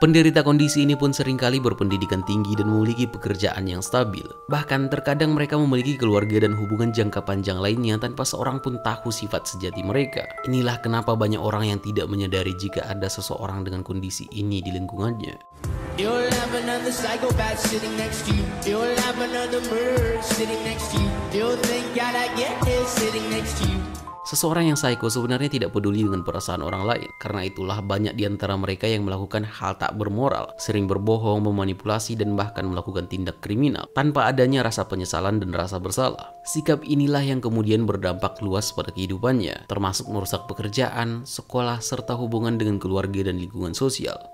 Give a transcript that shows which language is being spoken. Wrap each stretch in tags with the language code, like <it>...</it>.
<id>Penderita kondisi ini pun seringkali berpendidikan tinggi dan memiliki pekerjaan yang stabil. Bahkan terkadang mereka memiliki keluarga dan hubungan jangka panjang lainnya tanpa seorang pun tahu sifat sejati mereka. Inilah kenapa banyak orang yang tidak menyadari jika ada seseorang dengan kondisi ini di lingkungannya.</id> <en>You'll have another psychopath sitting next to you. You'll have another murderer sitting next to you. You'll think God I get this sitting next to you.</en> <id>Seseorang yang psycho sebenarnya tidak peduli dengan perasaan orang lain. Karena itulah banyak di antara mereka yang melakukan hal tak bermoral, sering berbohong, memanipulasi, dan bahkan melakukan tindak kriminal tanpa adanya rasa penyesalan dan rasa bersalah. Sikap inilah yang kemudian berdampak luas pada kehidupannya, termasuk merusak pekerjaan, sekolah, serta hubungan dengan keluarga dan lingkungan sosial.</id>